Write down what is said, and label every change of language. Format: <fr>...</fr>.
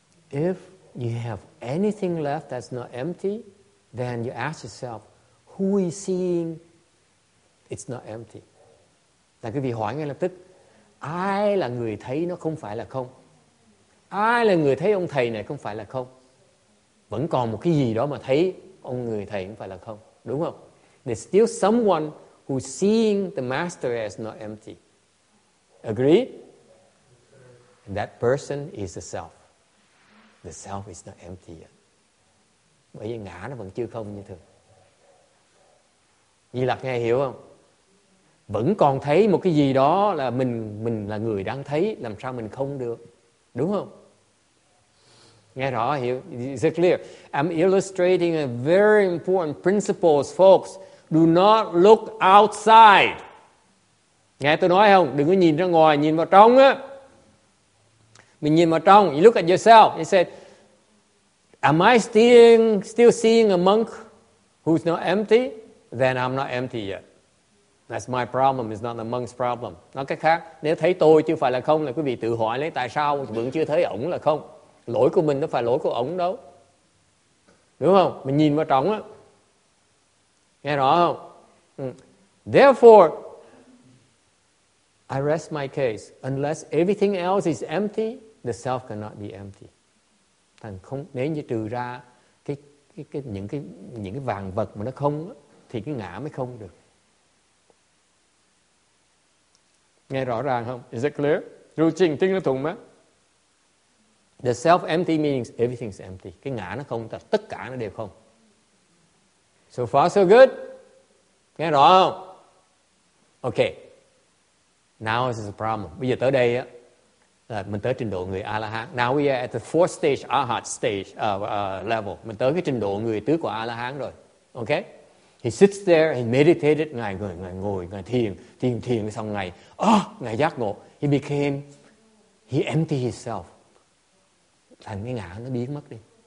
<en>If you have anything left that's not empty, then you ask yourself, who is seeing it's not empty?</en> <vi>Là quý vị hỏi ngay lập tức, ai là người thấy nó không phải là không? Ai là người thấy ông thầy này không phải là không? Vẫn còn một cái gì đó mà thấy ông người thầy không phải là không, đúng không?</vi> <en>There's still someone who's seeing the master as not empty. Agree? And that person is the self. The self is not empty yet.</en> <vi>Bởi vì ngã nó vẫn chưa không như thường. Di Lặc nghe hiểu không? Vẫn còn thấy một cái gì đó là mình là người đang thấy, làm sao mình không được, đúng không? Nghe rõ hiểu?</vi> <en>Is it clear? I'm illustrating a very important principle, folks. Do not look outside.</en> <vi>Nghe tôi nói không? Đừng có nhìn ra ngoài, nhìn vào trong á. Mình nhìn vào trong, you look at yourself.</vi> <en>You said, am I still seeing a monk who's not empty? Then I'm not empty yet. That's my problem, it's not the monk's problem.</en> <vi>Nói cách khác, nếu thấy tôi chưa phải là không, là quý vị tự hỏi lấy tại sao vẫn chưa thấy ổng là không. Lỗi của mình nó phải lỗi của ổng đâu. Đúng không? Mình nhìn vào trong á. Nghe rõ không?</vi> <en>Therefore, I rest my case. Unless everything else is empty, the self cannot be empty.</en> <vi>Thành không, nếu như trừ ra những cái vàng vật mà nó không, thì cái ngã mới không được. Nghe rõ ràng không?</vi> <en>Is it clear?</en> <vi>Ru trình tiếng nó thùng mà.</vi> <en>The self empty means everything is empty.</en> <vi>Cái ngã nó không, tất cả nó đều không.</vi> <en>So far so good.</en> <vi>Nghe rõ không?</vi> <en>Okay. Now is the problem.</en> <vi>Bây giờ tới đây á, là mình tới trình độ người A-la-hán.</vi> <en>Now we are at the fourth stage, Arhat stage level.</en> <vi>Mình tới cái trình độ người tứ của A-la-hán rồi.</vi> <en>Okay? He sits there, he meditated,</en> <vi>ngài ngồi, thiền xong ngày. Oh, ngài giác ngộ.</vi> <en>He emptied himself.</en> <vi>Thành cái ngã nó biến mất đi.</vi>